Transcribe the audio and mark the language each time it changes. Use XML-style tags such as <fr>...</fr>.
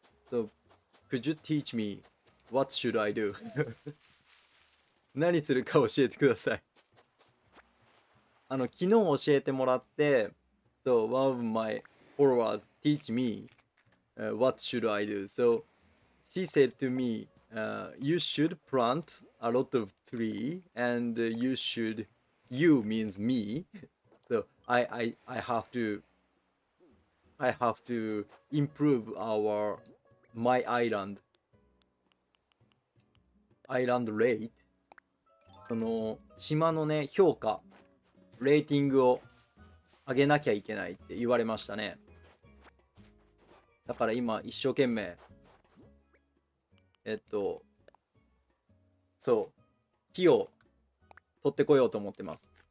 <en>So, could you teach me what should I do?</en> <ja>何するか教えてください。あの、昨日教えてもらって、</ja> <en>So, one of my followers teach me、what should I do? So, she said to me,、you should plant a lot of tree and you should, you means me. So, I have to improve our, my island. Island rate.</en> <ja>その島のね、評価、レーティングを上げなきゃいけないって言われましたね。だから今一生懸命、そう、木を取ってこようと思ってます。</ja>